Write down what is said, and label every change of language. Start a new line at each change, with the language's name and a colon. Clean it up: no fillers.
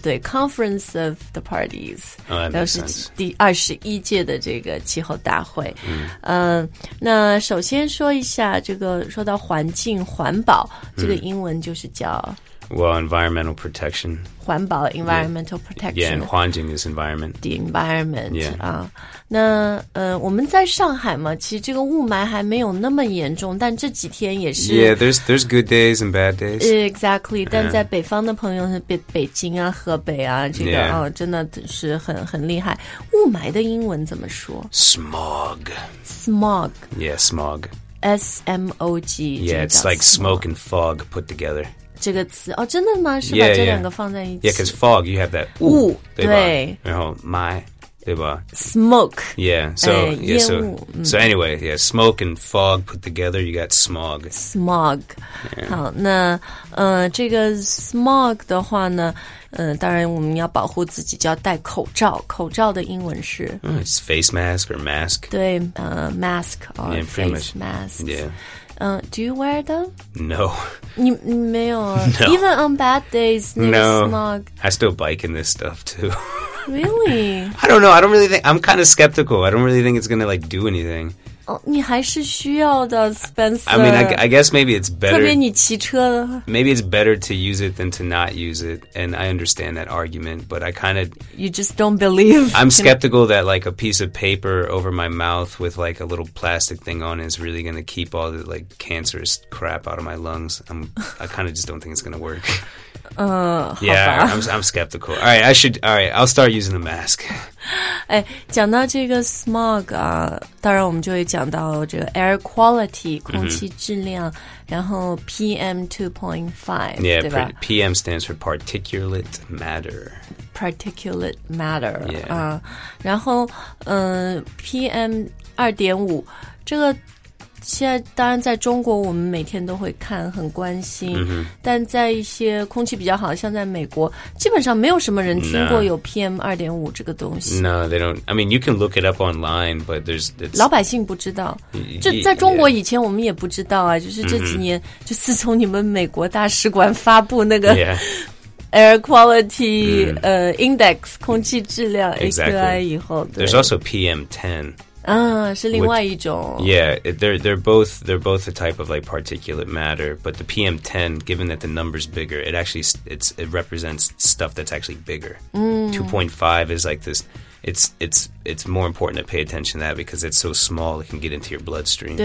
Chinese: 对 Conference of the Parties, 然后是第21届的这个气候大会。那首先说一下这个，说到环境环保，这个英文就是叫
English: Well, environmental protection. 环保 environmental protection. Yeah, and 环境 is environment. The environment. Yeah.
Chinese: 我们在上海嘛，其实这个雾霾还没有那么严重，但这几天也是。
English: Yeah, there's good days and bad days. Exactly.
Chinese: 但在北方的朋友是北京啊，河北啊，这个、
English: yeah.
Chinese: 真的是很厉害。雾霾的英文怎么说
English: ？Smog. Smog. Yeah, smog. S-M-O-G. Yeah, it's like smoke and fog put together.
Chinese: 这个词哦，真的吗？是把这两个放在一起
English: ？Yeah, because fog, you have that 雾，
Chinese: 对吧？然后霾，对吧
English: ？Smoke. Yeah. So, yeah, so, so anyway, yeah, smoke and fog put together, you got smog. Smog.、 Yeah.
Chinese: 好，那这个 smog 的话呢，当然我们要保护自己，就要戴口罩。口罩的英文是
English: It's face mask or mask.
Chinese: 对，
English: mask or yeah, face mask. Yeah. Do you wear them? No.
Chinese: 你没有、
English: no. Even on bad days, no smog. I still bike in this stuff, too. Really? I don't know. I don't really think... I'm kind of skeptical. I don't really think it's going to, like, do anything.
Chinese: Oh, 你还是需要的 Spencer.
English: I mean, I guess maybe it's better...
Chinese: 特别你骑车的。
English: Maybe it's better to use it than to not use it. And I understand that argument, but I kind of... You just don't believe. I'm skeptical that, like, a piece of paper over my mouth with, like, a little plastic thing on is really going to keep all the, like, cancerous crap out of my lungs. I kind of just don't think it's going to work. Yeah, I'm skeptical. All right, I'll start using a mask.
Chinese: 讲到这个 smog 啊，当然我们就会讲到这个 air quality 空气质量、然后 PM2.5
English: yeah,
Chinese: 对吧
English: PM stands for particulate matter. Particulate matter. Yeah.
Chinese: 然后PM2.5 这个现在当然在中国我们每天都会看很关心、但在一些空气比较好像在美国基本上没有什么人听过有 PM2.5 这个东西
English: No, they don't I mean, you can look it up online but there's
Chinese: 老百姓不知道这在中国以前我们也不知道啊，就是这几年、就自从你们美国大使馆发布那个、Air Quality、Index 空气质量 AQI、
English: exactly.
Chinese: 以后对
English: There's also PM10
Chinese: 是另外一种
English: Which, Yeah, they're both a type of like particulate matter But the PM10, given that the number's bigger It actually, it represents stuff that's actually bigger 2.5 is like this It's more important to pay attention to that Because it's so small, it can get into your bloodstream